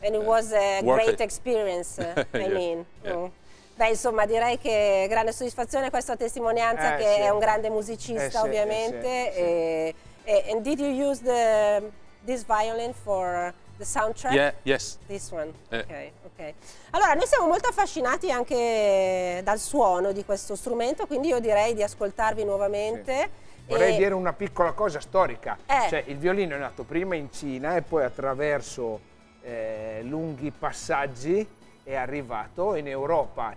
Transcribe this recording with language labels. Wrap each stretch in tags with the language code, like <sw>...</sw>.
<en>And it was a great experience, I mean. Yeah. Mm.</en> <it>Beh, insomma, direi che è grande soddisfazione questa testimonianza che sì. è un grande musicista, ovviamente. Sì.</it> <en>And did you use this violin for the soundtrack? Yeah, yes. This one? Okay.</en> <it>Allora, noi siamo molto affascinati anche dal suono di questo strumento, quindi io direi di ascoltarvi nuovamente. Sì. Vorrei dire una piccola cosa storica. Cioè, il violino è nato prima in Cina e poi attraverso lunghi passaggi è arrivato in Europa.</it>